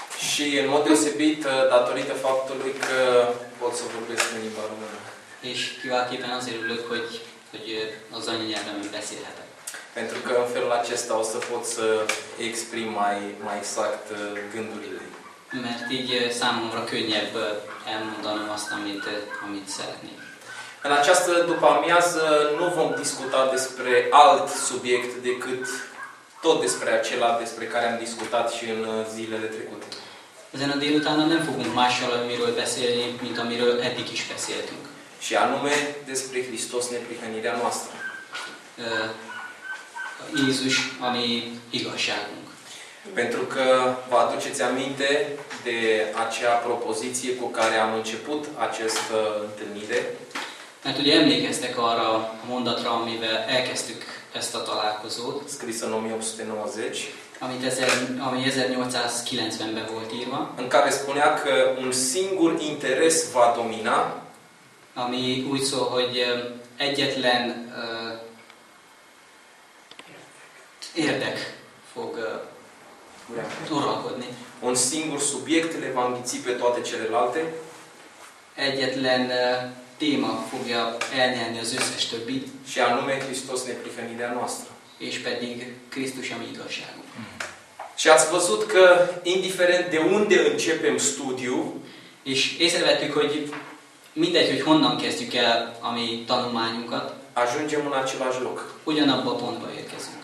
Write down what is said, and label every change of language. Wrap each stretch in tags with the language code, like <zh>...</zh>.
<ro>Și în mod deosebit datorită faptului că pot să vorbesc în limba română.</ro> <hu>Ești kiváltképpen azért ülök, hogy az anyanyelvemen beszélhetek.</hu> <ro>Pentru că în felul acesta o să pot să exprim mai exact gândurile.</ro> <hu>Mert így számomra könnyebb elmondanom azt, amit szeretnék.</hu> <ro>În această după-amiază nu vom discuta despre alt subiect decât tot despre acela despre care am discutat și în zilele trecute.</ro> <hu>Ezen a délután nem fogunk mással amiről beszélni, mint amiről eddig is beszéltünk.</hu> <ro>Și anume despre Hristos, neprihănirea noastră.</ro> <hu>Iisus, ami igazságunk.</hu> <ro>Pentru că vă aduceți aminte de acea propoziție cu care am început această întâlnire.</ro> <hu>Mert ugye emlékeztek arra a mondatra, amivel elkezdtük ezt a találkozót.</hu> <ro>Scris în 1890.</ro> <hu>Ami 1890-ben volt írva.</hu> <ro>În care spunea că un singur interes va domina.</ro> <hu>Ami úgy szól, hogy egyetlen érdek fog uralkodni.</hu> <ro>Un singur subiect le va înghiți pe toate celelalte.</ro> <hu>Egyetlen téma fogja elnyelni az összes többit.</hu> <ro>Și anume Hristos, neprihănirea noastră.</ro> <hu>És pedig Krisztus, ami igazságunk.</hu> <ro>Și ați văzut că, indiferent de unde începem studiu,</ro> <hu>és észrevettük, hogy mindegy, hogy honnan kezdjük el a mi tanulmányunkat,</hu> <ro>ajungem în același loc.</ro> <hu>Ugyanabba a pontba érkezünk.</hu>